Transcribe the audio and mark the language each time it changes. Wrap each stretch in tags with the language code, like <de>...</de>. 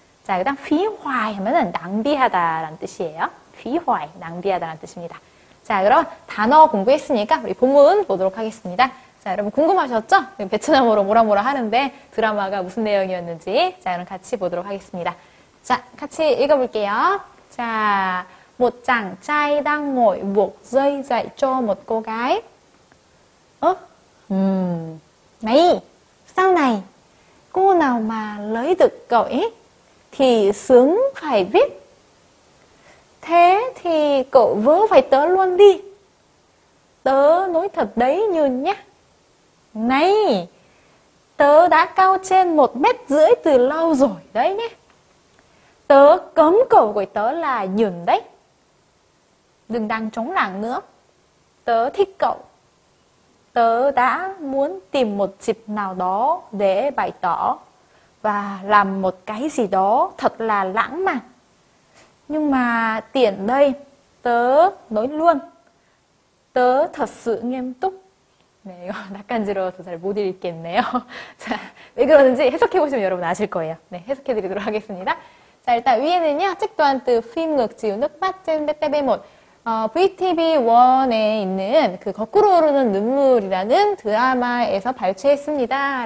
<ko>자, 그 다음 휘화이 하면은 낭비하다라는 뜻이에요. 휘화이, 낭비하다라는 뜻입니다. 자, 그럼 단어 공부했으니까 우리 본문 보도록 하겠습니다. 자, 여러분 궁금하셨죠? 베트남어로 뭐라 하는데 드라마가 무슨 내용이었는지. 자, 그럼 같이 보도록 하겠습니다. 자, 같이 읽어볼게요.</ko> <vi>자, một chàng trai đang ngồi buộc dây dạy cho một cô gái. Ơ? Này, sau này, cô nào mà lấy được cậu ấy thì sướng phải biết. Thế thì cậu vớ phải tớ luôn đi. Tớ nói thật đấy như nhá. Này, tớ đã cao trên 1,5 m từ lâu rồi đấy nhé. Tớ cấm cậu của tớ là nhường đấy. Đừng đang chống lảng nữa. Tớ thích cậu. Tớ đã muốn tìm một dịp nào đó để bày tỏ và làm một cái gì đó thật là lãng mạn. Nhưng mà tiện đây, tớ nói luôn. Tớ thật sự nghiêm túc.</vi> <ko>네, 이거 낯간지러워서 잘 못 읽겠네요. 자, 왜 그러는지 해석해보시면 여러분 아실 거예요. 네, 해석해드리도록 하겠습니다. 자, 일단 위에는요, 책도한 뜻, 휘임극, 지우눅, 빠진, 빼빼빼못. VTV1에 있는 그 거꾸로 흐르는 눈물이라는 드라마에서 발췌했습니다.</ko>